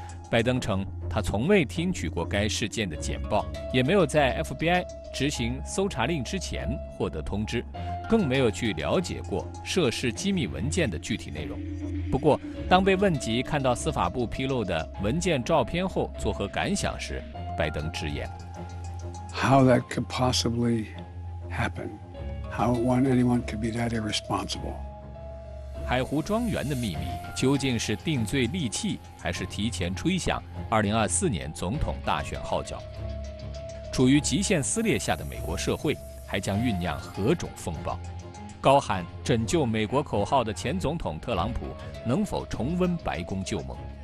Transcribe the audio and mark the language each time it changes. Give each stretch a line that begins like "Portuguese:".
Chinese: 拜登称，他从未听取过该事件的简报，也没有在 FBI 执行搜查令之前获得通知，更没有去了解过涉事机密文件的具体内容。不过当被问及看到司法部披露的文件照片后作何感想时，拜登直言
English: How that could possibly happen? How anyone could be that irresponsible?
Chinese: 海湖庄园的秘密究竟是定罪利器，还是提前吹响2024年总统大选号角？处于极限撕裂下的美国社会还将酝酿何种风暴？高喊拯救美国口号的前总统特朗普能否重温白宫旧梦？